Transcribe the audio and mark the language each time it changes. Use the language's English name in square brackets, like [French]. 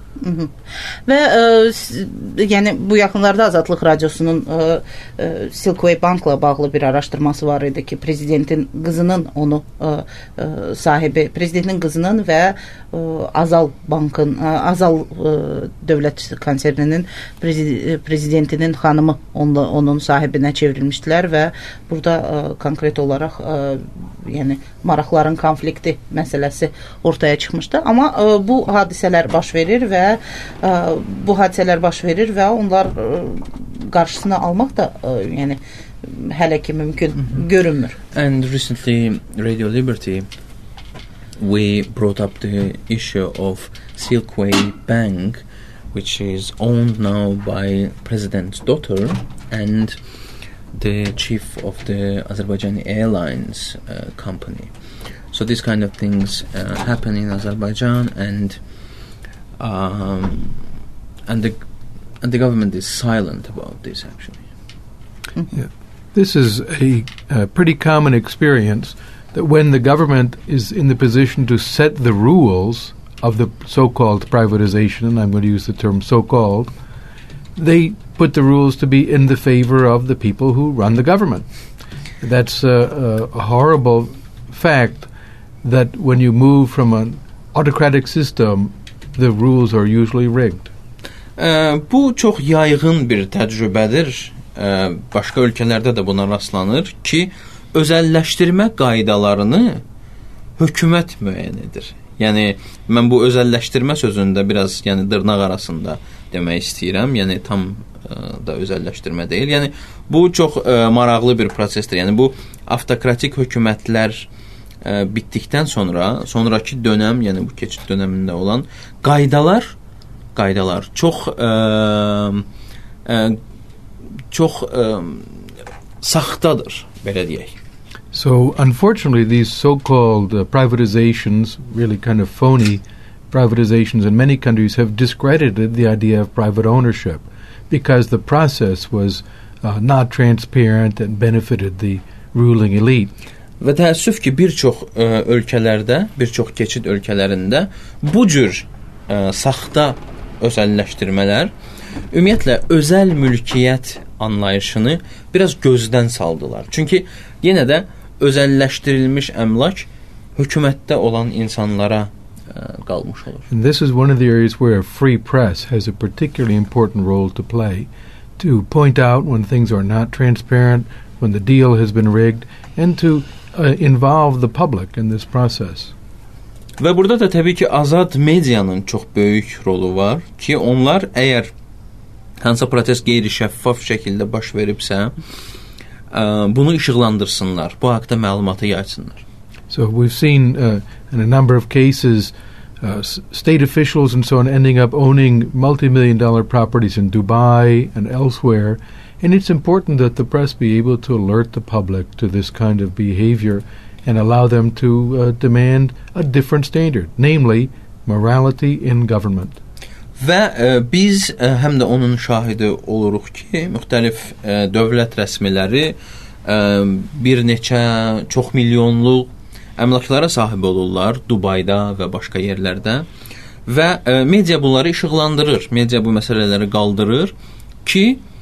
[Azerbaijani] Və yəni bu yaxınlarda Azadlıq Radiosunun Silkway Bankla bağlı bir araşdırması var idi ki, prezidentin qızının onu sahibi, prezidentin qızının və Azal Bankın, Azal dövlət konserninin prezidentinin xanımı onun sahibinə çevrilmişdilər və burada konkret olaraq yəni maraqların konflikti məsələsi ortaya çıxmışdı. Amma bu hadisələr baş verir və bu hadisələr baş verir və onlar qarşısını almaq da yəni hələ ki mümkün görünmür. [English] And recently Radio Liberty, we brought up the issue of Silkway Bank, which is owned now by President's daughter and the chief of the Azerbaijani Airlines company. So these kind of things happen in Azerbaijan, and the government is silent about this, actually. Mm-hmm. Yeah. This is a pretty common experience, that when the government is in the position to set the rules of the so-called privatization, and I'm going to use the term so-called, they put the rules to be in the favor of the people who run the government. That's a horrible fact, that when you move from an autocratic system, the rules are usually rigged. [Azerbaijani] Bu çox yayğın bir təcrübədir. Başqa ölkələrdə də buna rastlanır ki, özəlləşdirmə qaydalarını hökumət müəyyən edir. Yəni, mən bu özəlləşdirmə sözündə biraz, yəni, dırnaq arasında demək istəyirəm. Yəni, tam da özəlləşdirmə deyil. Yəni, bu çox maraqlı bir prosesdir. Yəni, bu avtokratik hökumətlər bitdikdən sonraki dönəm, yəni bu keçid dönəmində olan qaydalar çox saxtadır, belə deyək. [English] So, unfortunately, these so-called privatizations, really kind of phony privatizations in many countries, have discredited the idea of private ownership because the process was not transparent and benefited the ruling elite. [Azerbaijani] Və təəssüf ki, bir çox ölkələrdə, bir çox keçid ölkələrində bu cür saxta özəlləşdirmələr ümumiyyətlə özəl mülkiyyət anlayışını biraz gözdən saldılar. Çünki yenə də özəlləşdirilmiş əmlak hökumətdə olan insanlara qalmış olur. [English] And this is one of the areas where free press has a particularly important role to play, to point out when things are not transparent, when the deal has been rigged, and to involve the public in this process. [Azerbaijani] Və burada da təbii ki, azad medianın çox böyük rolu var ki, onlar əgər hansısa protest qeyri-şəffaf şəkildə baş veribsə, bunu işıqlandırsınlar, bu haqda məlumatı yaysınlar. [English] So we've seen in a number of cases state officials and so on ending up owning multi-million dollar properties in Dubai and elsewhere. And it's important that the press be able to alert the public to this kind of behavior and allow them to demand a different standard, namely morality in government. [Azerbaijani] Və biz həm də onun şahidi oluruq ki, müxtəlif dövlət rəsmiləri bir neçə çox milyonlu əmlaklara sahib olurlar Dubayda və başqa yerlərdə və media bunları işıqlandırır, media bu məsələləri qaldırır ki,